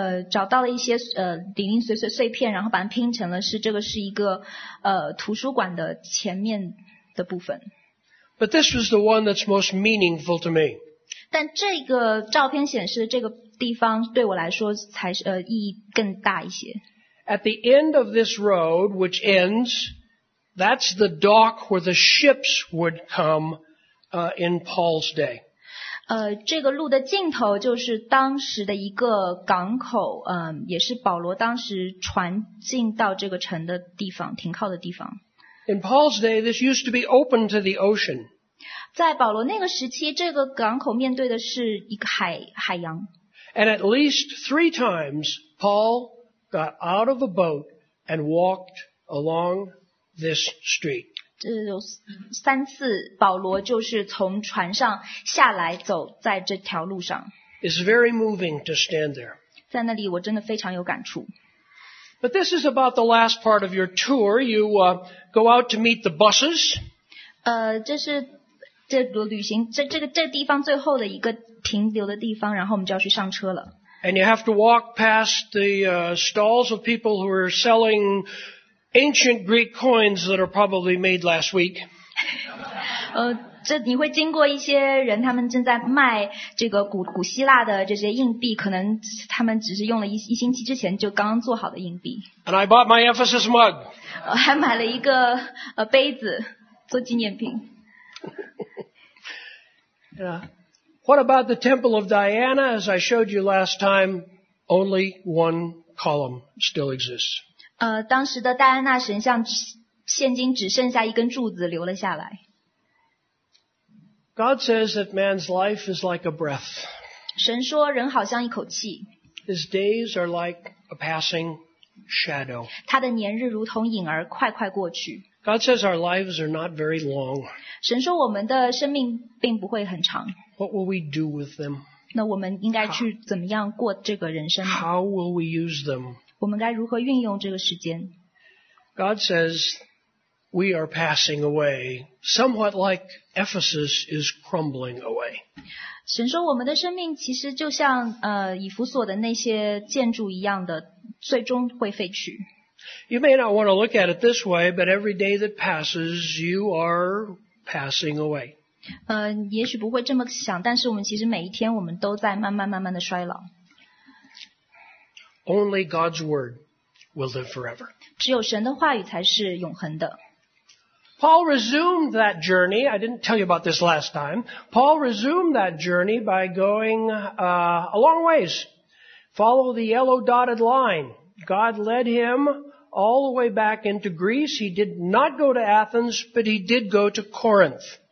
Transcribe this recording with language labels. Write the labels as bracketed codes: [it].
[zh] 找到了一些零零碎碎碎片，然后把它拼成了是这个是一个图书馆的前面的部分。 [en] But this was the one that's most meaningful to me. [zh] 但这个照片显示的这个地方对我来说才是意义更大一些。 [en] At the end of this road, which ends, that's the dock where the ships would come in Paul's day. [zh] 这个路的尽头就是当时的一个港口，也是保罗当时船进到这个城的地方，停靠的地方。 [en] In Paul's day, this used to be open to the ocean. [zh] 在保罗那个时期，这个港口面对的是一个海洋。 [en] And at least three times, Paul got out of a boat and walked along this street. [zh] 这有三次保罗就是从船上下来走在这条路上。 [en] It's very moving to stand there. [zh] 在那里我真的非常有感触。 [en] But this is about the last part of your tour. You go out to meet the buses. [zh] 这个地方最后的一个停留的地方，然后我们就要去上车了。 [en] And you have to walk past the stalls of people who are sellingAncient Greek coins that are probably made last week. [zh] 这你会经过一些人，他们正在卖这个古希腊的这些硬币，可能他们只是用了一星期之前就刚做好的硬币。 [en] And I bought my Ephesus mug. [zh] 还买了一个杯子做纪念品。 [en] Yeah. What about the Temple of Diana? As I showed you last time, only one column still exists. [zh] 当时的戴安娜神像现今只剩下一根柱子留了下来。 [en] God says that man's life is like a breath. [zh] 神说人好像一口气。 [en] His days are like a passing shadow. [zh] 他的年日如同影儿快快过去。 [en] God says our lives are not very long. [zh] 神说我们的生命并不会很长。 [en] What will we do with them? [zh] 那我们应该去怎么样过这个人生呢？ [en] How will we use them? [zh] 我们该如何运用这个时间？ [en] God says we are passing away, somewhat like Ephesus is crumbling away. [zh] 神说我们的生命其实就像以弗所的那些建筑一样的最终会废去。 [en] You may not want to look at it this way, but every day that passes, you are passing away. [zh] 也许不会这么想，但是我们其实每一天我们都在慢慢慢慢的衰老。 [en] Only God's word will live forever. [zh] 只有神的话语才是永恒的。 [en] Paul resumed that journey. I didn't tell you about this last time. Paul resumed that journey by going a long ways. Follow the yellow dotted line. God led him all the way back into Greece. He did not go to Athens, but he did go to Corinth.